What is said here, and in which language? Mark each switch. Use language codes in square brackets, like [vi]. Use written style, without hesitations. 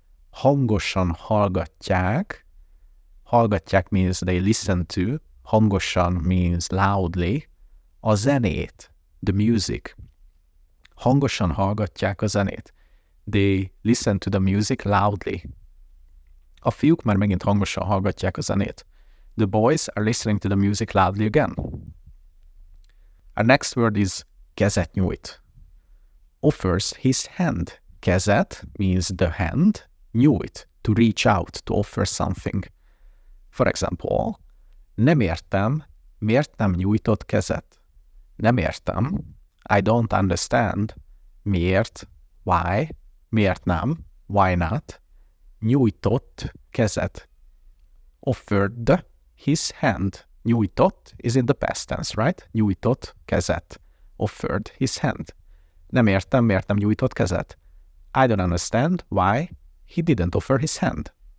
[hu] Hangosan hallgatják. [en] Hallgatják means they listen to. Hangosan means loudly. [hu] A zenét, [en] the music. [hu] Hangosan hallgatják a zenét. [en] They listen to the music loudly. [hu] A fiúk már megint hangosan hallgatják a zenét. [en] The boys are listening to the music loudly again. Our next word is kezet nyújt. Offers his hand. Kezet means the hand. Nyújt, to reach out, to offer something. For example, [hu] nem értem, miért nem nyújtott kezet. Nem értem, [en] I don't understand, [hu] miért, [en] why, [hu] miért nem, [en] why not, [hu] nyújtott kezet. [en] Offered his hand. Nyújtott is in the past tense, right? [hu] Nyújtott kezet. [en] Offered his hand. [hu] Nem értem, miért nem nyújtott kezet. [en] I don't understand why he didn't offer his hand.